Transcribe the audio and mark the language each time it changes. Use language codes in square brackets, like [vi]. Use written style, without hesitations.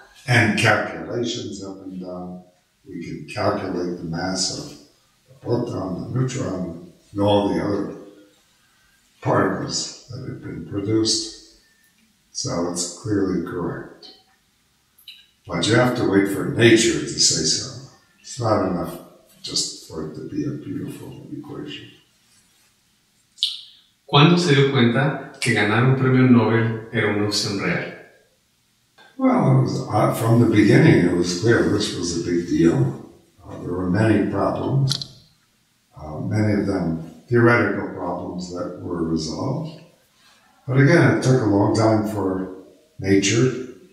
[en] and calculations have been done. We can calculate the mass of the proton, the neutron, and all the other particles that have been produced. So it's clearly correct. But you have to wait for nature to say so. It's not enough just for it to be a beautiful equation. [es] ¿Cuándo se dio cuenta que ganar un premio Nobel era una opción real? [en] Well, it was, from the beginning, it was clear this was a big deal. There were many problems, many of them theoretical problems that were resolved. But again, it took a long time for nature.